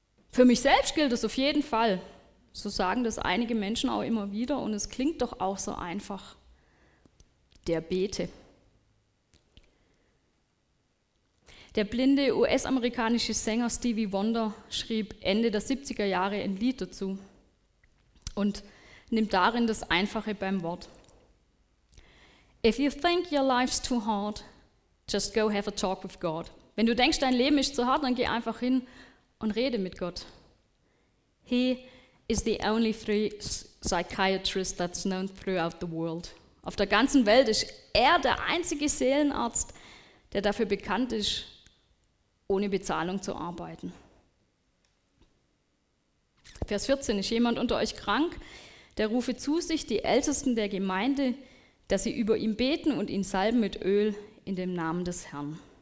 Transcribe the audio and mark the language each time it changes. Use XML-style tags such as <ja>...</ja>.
<de>Für mich selbst gilt es auf jeden Fall. So sagen das einige Menschen auch immer wieder und es klingt doch auch so einfach. Der bete. Der blinde US-amerikanische Sänger Stevie Wonder schrieb Ende der 70er Jahre ein Lied dazu und nimmt darin das Einfache beim Wort.</de> <en>If you think your life's too hard, just go have a talk with God.</en> <de>Wenn du denkst, dein Leben ist zu hart, dann geh einfach hin und rede mit Gott.</de> <en>He is the only free psychiatrist that's known throughout the world.</en> <de>Auf der ganzen Welt ist er der einzige Seelenarzt, der dafür bekannt ist, ohne Bezahlung zu arbeiten. Vers 14, ist jemand unter euch krank, der rufe zu sich die Ältesten der Gemeinde, dass sie über ihn beten und ihn salben mit Öl in dem Namen des Herrn.</de>